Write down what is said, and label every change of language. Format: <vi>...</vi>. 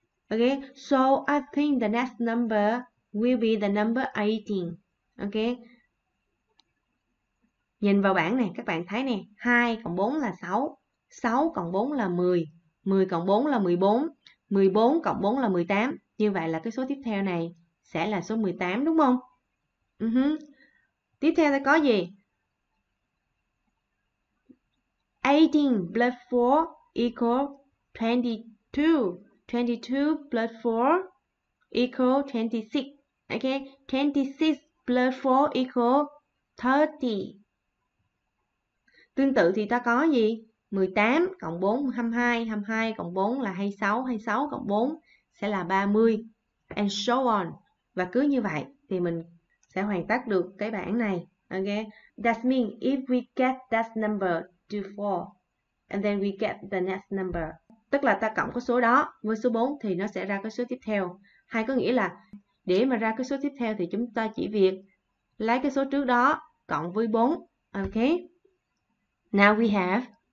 <en>Okay, so I think the next number will be the number 18. Okay.</en> <vi>Nhìn vào bảng này, các bạn thấy nè, 2 cộng 4 là 6, 6 cộng 4 là 10, 10 cộng 4 là 14, 14 cộng 4 là 18. Như vậy là cái số tiếp theo này sẽ là số 18, đúng không? Tiếp theo sẽ có gì?</vi> <en>18 plus 4 equals 22, 22 plus 4 equals 26, okay? 26 plus 4 equals 30.</en> <vi>Tương tự thì ta có gì? 18 cộng 4 22, 22 cộng 4 là 26, 26 cộng 4 sẽ là 30.</vi> <en>And so on.</en> <vi>Và cứ như vậy thì mình sẽ hoàn tất được cái bảng này.</vi> <en>Okay. That means if we get that number to 4 and then we get the next number.</en> <vi>Tức là ta cộng cái số đó với số 4 thì nó sẽ ra cái số tiếp theo. Hay có nghĩa là để mà ra cái số tiếp theo thì chúng ta chỉ việc lấy cái số trước đó cộng với 4.</vi> <en>Okay. Now we have.</en>